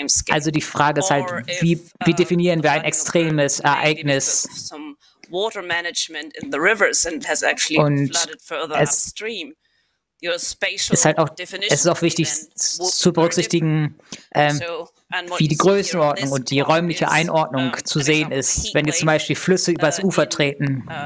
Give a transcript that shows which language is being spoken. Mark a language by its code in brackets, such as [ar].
[de] Also die Frage ist halt, wie definieren wir ein extremes Ereignis? [en] Water management in the rivers and has actually flooded further upstream. [de] Es ist auch wichtig zu berücksichtigen, wie die Größenordnung und die räumliche Einordnung zu sehen ist, wenn jetzt zum Beispiel Flüsse übers Ufer treten.